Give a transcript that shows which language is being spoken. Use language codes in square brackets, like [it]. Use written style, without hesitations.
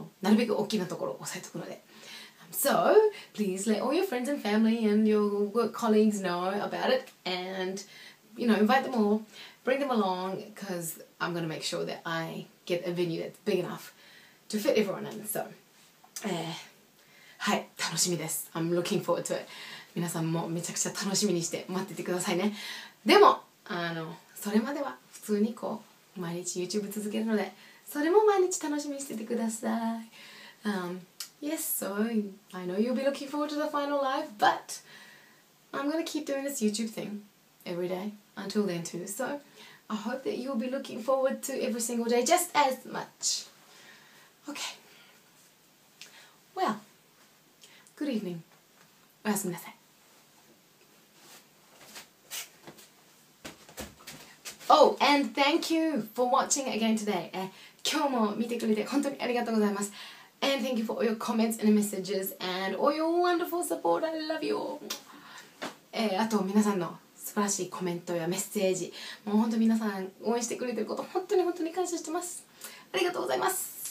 [ja] なるべく大きなところを押さえておくので。 [en] So, please let all your friends and family and your work colleagues know about it and, you know, invite them all, bring them along, because I'm going to make sure that I get a venue that's big enough to fit everyone in. So, [ja] はい、楽しみです。 [en] I'm looking forward to it. [ja] 皆さんもめちゃくちゃ楽しみにして待っててくださいね。でも、それまでは普通にこう、毎日 YouTube 続けるので、それも毎日楽しみにしててください。 [en] Yes, so I know you'll be looking forward to the final live, but I'm going to keep doing this YouTube thing every day until then too. So I hope that you'll be looking forward to every single day just as much. Okay. Well, good evening. [ja] おやすみなさい。 [en] Oh, and thank you for watching again today. [ja] 今日も見てくれて本当にありがとうございます。 [en] And thank you for all your comments and messages and all your wonderful support. I love you. [ja] あと皆さんの素晴らしいコメントやメッセージ、もう本当皆さん応援してくれてること本当に本当に感謝してます。ありがとうございます。